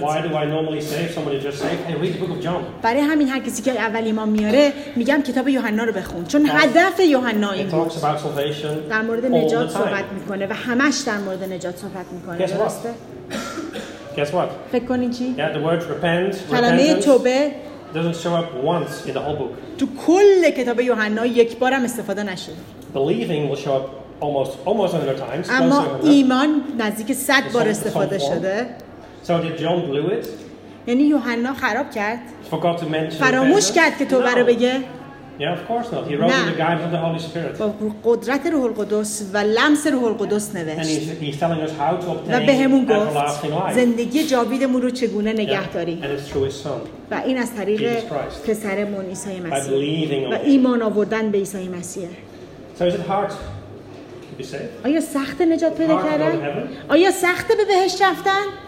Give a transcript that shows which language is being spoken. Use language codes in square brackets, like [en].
[en] Why do I normally say somebody just say, "Hey, read the book of John"? [fa] برای همین هر کسی که اول ایمان میاره میگم کتاب یوحنا رو بخون، چون هدف یوحنا این بود. در مورد نجات صحبت میکنه و همش در مورد نجات صحبت میکنه. [en] Guess what? [fa] فکر کنین چی؟ [en] Yeah, the word repent. [fa] کلمه توبه [en] doesn't show up once in the whole book. [fa] تو کل کتاب یوحنا یک بارم استفاده نشد. [en] Believing will show up almost 100 times. [fa] اما ایمان نزدیک 100 بار استفاده شده. [en] So did John blew it? [fa] یعنی یوحنا خراب کرد؟ [en] Forgot to mention. [fa] فراموش کرد که توبه رو بگه؟ [en] Yeah, of course not. He wrote in the guidance of the Holy Spirit. [fa] با قدرت روح القدس و لمس روح القدس نوشت. [en] And he's telling us how to obtain everlasting life. [fa] زندگی جاویدمون رو چگونه نگه داری؟ [en] And it's through his son. [fa] و این از طریق پسرمون عیسی مسیح. [en] By believing [fa] و ایمان آوردن به عیسی مسیح. So is it hard? آیا سخت نجات پیدا کردن؟ آیا سخت به بهشت رفتن؟